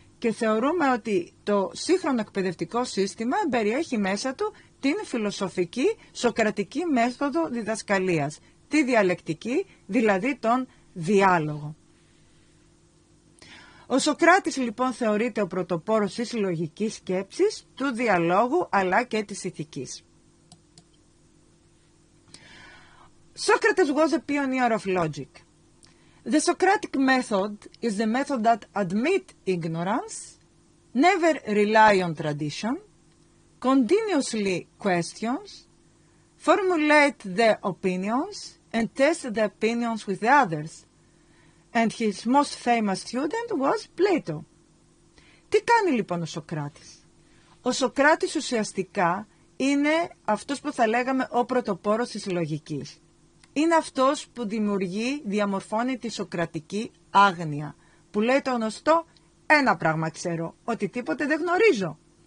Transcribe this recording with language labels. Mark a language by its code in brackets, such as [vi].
[el] Και θεωρούμε ότι το σύγχρονο εκπαιδευτικό σύστημα περιέχει μέσα του την φιλοσοφική σοκρατική μέθοδο διδασκαλίας. Τη διαλεκτική, δηλαδή τον διάλογο. Ο Σοκράτης λοιπόν θεωρείται ο πρωτοπόρος της λογικής σκέψης, του διαλόγου αλλά και της ηθικής. [en] Socrates was a pioneer of logic. The Socratic method is the method that admits ignorance, never rely on tradition, continuously questions, formulate the opinions and test the opinions with the others. And his most famous student was Plato. [el] Τι κάνει λοιπόν ο Σοκράτης? Ο Σοκράτης ουσιαστικά είναι αυτός που θα λέγαμε ο πρωτοπόρος της λογικής. Είναι αυτός που δημιουργεί, διαμορφώνει τη σοκρατική άγνοια, που λέει το γνωστό «ένα πράγμα ξέρω, ότι τίποτε δεν γνωρίζω».